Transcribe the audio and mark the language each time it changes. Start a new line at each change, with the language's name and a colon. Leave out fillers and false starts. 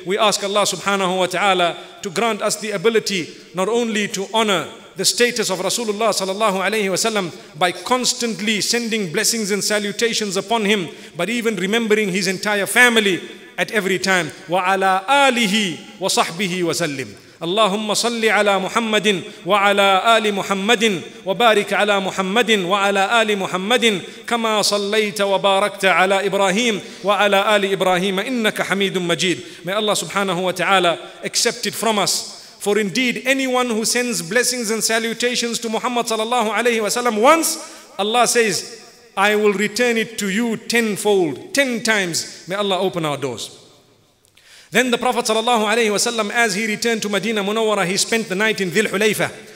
English: We ask Allah subhanahu wa ta'ala to grant us the ability not only to honor the status of Rasulullah sallallahu alayhi wa sallam by constantly sending blessings and salutations upon him, but even remembering his entire family at every time.
Arabic: Wa ala alihi wa sahbihi wa sallim. اللهم صل على محمد وعلى آل محمد وبارك على محمد وعلى آل محمد كما صليت وباركت على إبراهيم وعلى آل إبراهيم إنك حميد مجيد.
English: May Allah subhanahu wa ta'ala accept it from us. For indeed, anyone who sends blessings and salutations to Muhammad sallallahu alayhi wa sallam once, Allah says, I will return it to you tenfold, 10 times. May Allah open our doors. Then the Prophet sallallahu alayhi wa sallam, as he returned to Madinah Munawwara, he spent the night in Dhil Hulayfa.